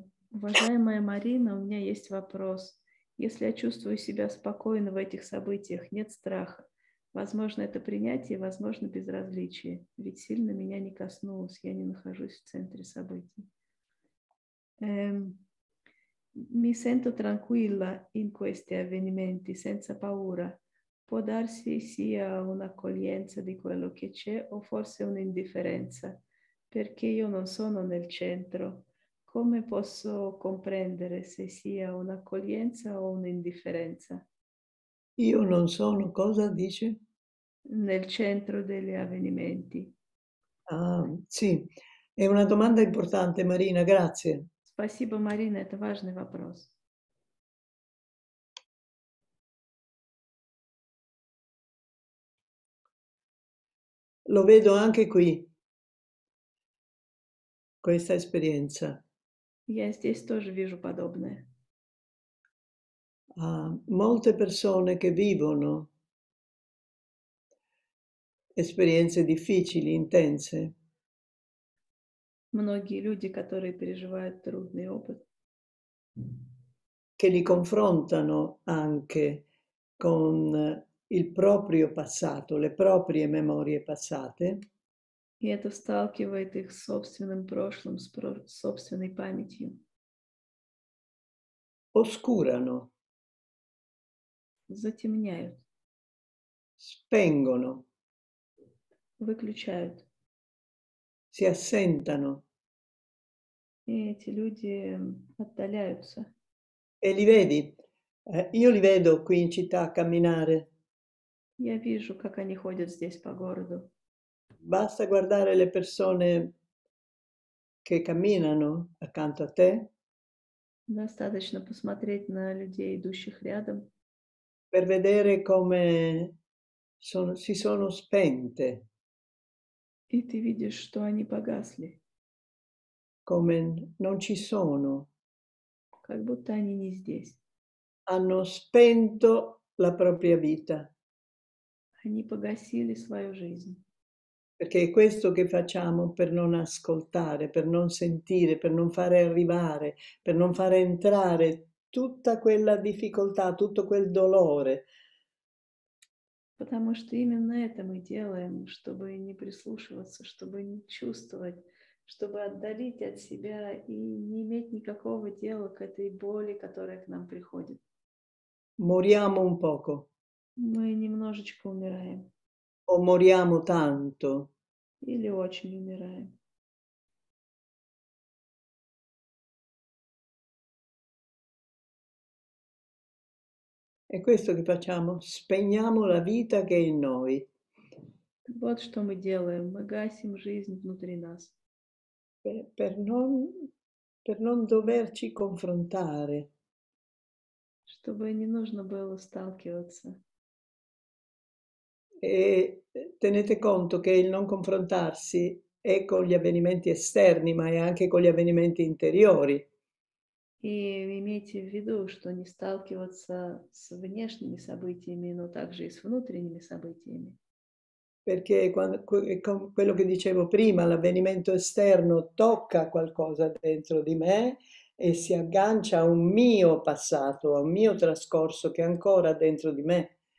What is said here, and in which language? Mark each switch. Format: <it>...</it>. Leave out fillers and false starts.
<ru>Уважаемая Марина, у меня есть вопрос. Если я чувствую себя спокойно в этих событиях, нет страха. Возможно, это принятие, возможно, безразличие. Ведь сильно меня не коснулось, я не нахожусь в центре событий.</ru> <it>Mi sento tranquilla in questi avvenimenti, senza paura. Può darsi sia un'accoglienza di quello che c'è o forse un'indifferenza, perché io non sono nel centro. Come posso comprendere se sia un'accoglienza o un'indifferenza? Io non sono, cosa dice? Nel centro degli avvenimenti. Ah, sì, è una domanda importante, Marina, grazie.</it> <ru>Спасибо, Марина, это важный вопрос.</ru> <it>Lo vedo anche qui, questa esperienza.</it> <ru>Я здесь тоже вижу подобное.</ru> <it>Molte persone che vivono esperienze difficili, intense.</it> <ru>Многие люди, которые переживают трудный опыт.</ru> <it>Che li confrontano anche con il proprio passato, le proprie memorie passate.</it> <ru>И это сталкивает их с собственным прошлым, с собственной памятью.</ru> <it>Оскурano.</it> <ru>Затемняют.</ru> <it>Spengono,</it> <ru>Выключают.</ru> <it>si assentano E questi</it> <ru>люди отдаляются.</ru> <it>e li vedi? Io li vedo qui in città a camminare.</it> <ru>Я вижу, как они ходят здесь по городу.</ru> <it>Basta guardare le persone che camminano accanto a te.</it> <ru>Достаточно посмотреть на людей, идущих рядом.</ru> <it>Per vedere come si sono spente,</it> <ru>И ты видишь, что они погасли.</ru> <it>come non ci sono,</it> <ru>Как будто они не здесь.</ru> <it>hanno spento la propria vita. Perché</it> <ru>Они погасили свою жизнь.</ru> <it>è questo che facciamo per non ascoltare, per non sentire, per non fare arrivare, per non fare entrare. Tutta quella difficoltà, tutto quel dolore.</it> <ru>Потому что именно это мы делаем, чтобы не прислушиваться, чтобы не чувствовать, чтобы отдалить от себя и не иметь никакого дела к этой боли, которая к нам приходит.</ru> <it>Moriamo un poco.</it> <ru>Мы немножечко умираем.</ru> <it>O moriamo tanto.</it> <ru>Или очень умираем.</ru> <it>È questo che facciamo, spegniamo la vita che è in noi.</it> <ru>Вот что мы делаем, мы гасим жизнь внутри нас.</ru> <it>Per non doverci confrontare.</it> <ru>Чтобы не нужно было сталкиваться.</ru> <it>E tenete conto che il non confrontarsi è con gli avvenimenti esterni, ma è anche con gli avvenimenti interiori.</it> <ru>И имейте в виду, что не сталкиваться с внешними событиями, но также и с внутренними событиями.</ru> <it>Perché quando, quello che dicevo prima, l'avvenimento esterno tocca qualcosa dentro di me e si aggancia a un mio passato, a un mio trascorso che è ancora dentro di me.</it>